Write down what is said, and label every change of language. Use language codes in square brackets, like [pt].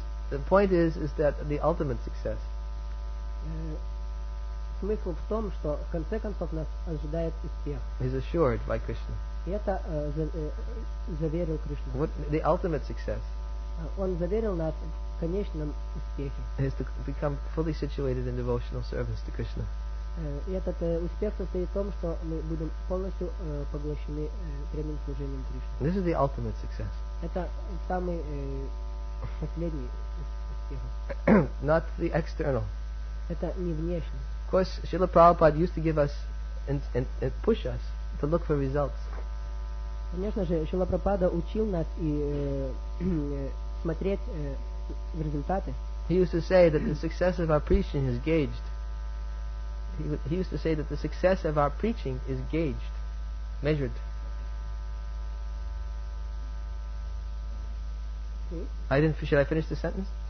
[en] The point is that the ultimate success. [ru] Смысл в том, что в конце концов нас ожидает успех. [en] Is assured by Krishna. [ru] Это заверил Кришна. [en] What the ultimate success? [ru] Он заверил нас в конечном успехе. [en] Is to become fully situated in devotional service to Krishna. [ru] Этот успех состоит в том, что мы будем полностью поглощены прямым служением Кришне. [en] This is the ultimate success. [ru] Это самый последний успех. [en] Not the external. [ru] Это не внешний. [en] Of course, Srila Prabhupada used to give us and push us to look for results. [ru] Конечно же, Шрила Прабхупада учил нас и смотреть в результаты. [en] He used to say that the success of our preaching is gauged. He used to say that the success of our preaching is gauged, measured. Okay. Should I finish the sentence?